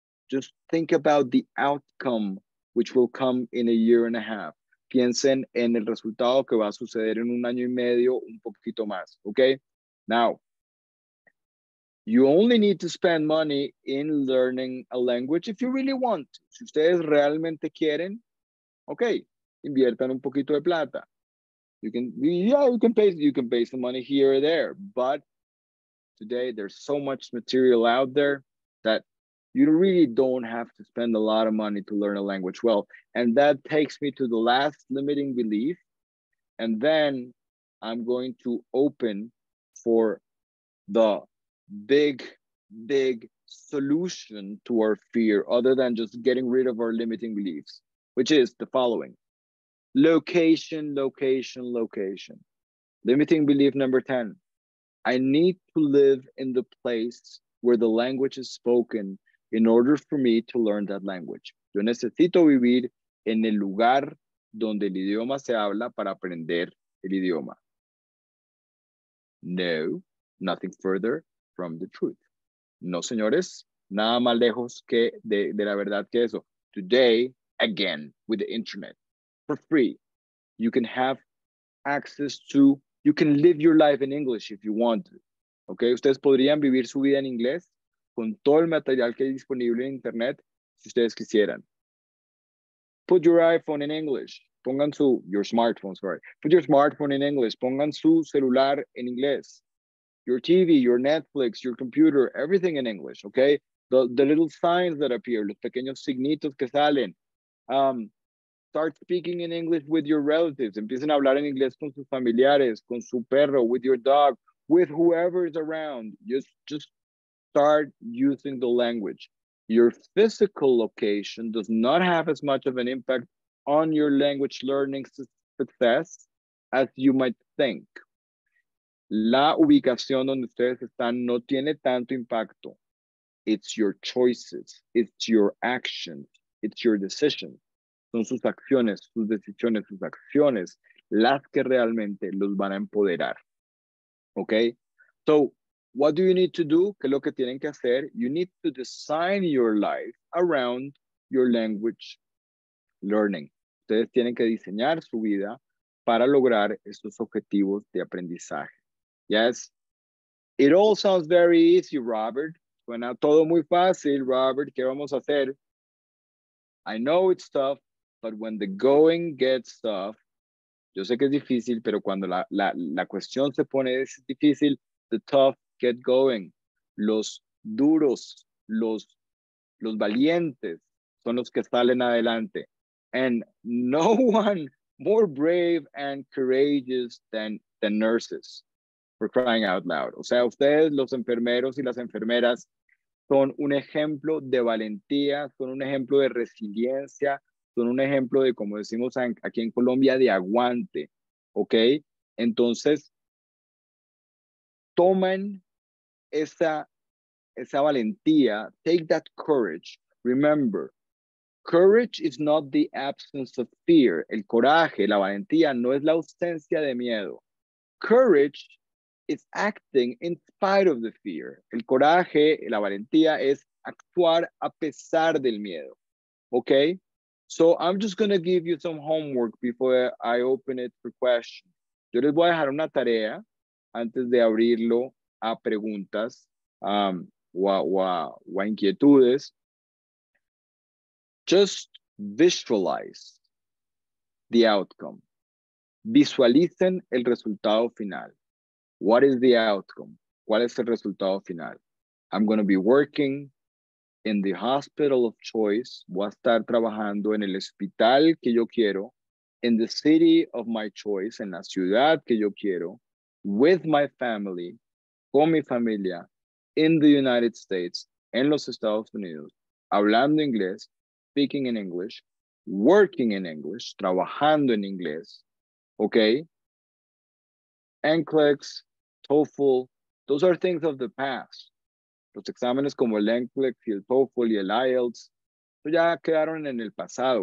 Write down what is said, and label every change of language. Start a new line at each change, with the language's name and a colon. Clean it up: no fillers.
English: Just think about the outcome which will come in a year and a half.
Spanish: piensen en el resultado que va a suceder en un año y medio, un poquito más, okay?
English: Now, you only need to spend money in learning a language if you really want.
Spanish: Si ustedes realmente quieren, okay, inviertan un poquito de plata.
English: You can, yeah, you can pay some money here or there, but today there's so much material out there that you really don't have to spend a lot of money to learn a language well. And that takes me to the last limiting belief. And then I'm going to open for the big, big solution to our fear, other than just getting rid of our limiting beliefs, which is the following. Location, location, location. Limiting belief number 10. I need to live in the place where the language is spoken in order for me to learn that language.
Spanish: Yo necesito vivir en el lugar donde el idioma se habla para aprender el idioma. No,
English: nothing further from the truth.
Spanish: No, señores, nada más lejos que de la verdad que eso.
English: Today, again, with the internet, for free, you can have access to, you can live your life in English if you want.
Spanish: Okay, ustedes podrían vivir su vida en inglés con todo el material que hay disponible en internet, si ustedes quisieran.
English: Put your iPhone in English.
Spanish: Pongan su,
English: your smartphone, sorry. Put your smartphone in English.
Spanish: Pongan su celular en inglés.
English: Your TV, your Netflix, your computer, everything in English, okay? The little signs that appear,
Spanish: los pequeños signitos que salen.
English: Start speaking in English with your relatives.
Spanish: Empiecen a hablar en inglés con sus familiares, con su perro,
English: with your dog, with whoever is around. Just start using the language. Your physical location does not have as much of an impact on your language learning success as you might think.
Spanish: La ubicación donde ustedes están no tiene tanto impacto.
English: It's your choices. It's your actions. It's your decisions.
Spanish: Son sus acciones, sus decisiones, sus acciones, las que realmente los van a empoderar.
English: Okay? So, what do you need to do?
Spanish: ¿Qué es lo que tienen que hacer?
English: You need to design your life around your language learning.
Spanish: Ustedes tienen que diseñar su vida para lograr estos objetivos de aprendizaje.
English: Yes? It all sounds very easy, Robert.
Spanish: Suena todo muy fácil, Robert. ¿Qué vamos a hacer?
English: I know it's tough, but when the going gets tough,
Spanish: yo sé que es difícil, pero cuando la cuestión se pone es difícil,
English: the tough get going.
Spanish: Los duros, los valientes son los que salen adelante.
English: And no one more brave and courageous than the nurses, for crying out loud.
Spanish: O sea, ustedes, los enfermeros y las enfermeras, son un ejemplo de valentía, son un ejemplo de resiliencia, son un ejemplo de, como decimos aquí en Colombia, de aguante, ¿ok? Entonces, tomen esa valentía,
English: take that courage. Remember, courage is not the absence of fear.
Spanish: El coraje, la valentía, no es la ausencia de miedo.
English: Courage is acting in spite of the fear.
Spanish: El coraje, la valentía, es actuar a pesar del miedo, ¿ok?
English: So I'm just going to give you some homework before I open it for questions.
Spanish: Yo les voy a dejar una tarea antes de abrirlo a preguntas o a inquietudes.
English: Just visualize the outcome.
Spanish: Visualicen el resultado final.
English: What is the outcome?
Spanish: ¿Cuál es el resultado final?
English: I'm going to be working in the hospital of choice,
Spanish: voy a estar trabajando en el hospital que yo quiero,
English: in the city of my choice,
Spanish: en la ciudad que yo quiero,
English: with my family,
Spanish: con mi familia,
English: in the United States,
Spanish: en los Estados Unidos, hablando inglés,
English: speaking in English, working in English,
Spanish: trabajando en inglés, okay?
English: NCLEX, TOEFL, those are things of the past.
Spanish: Los exámenes como el NCLEX, el TOEFL y el IELTS ya quedaron en el pasado.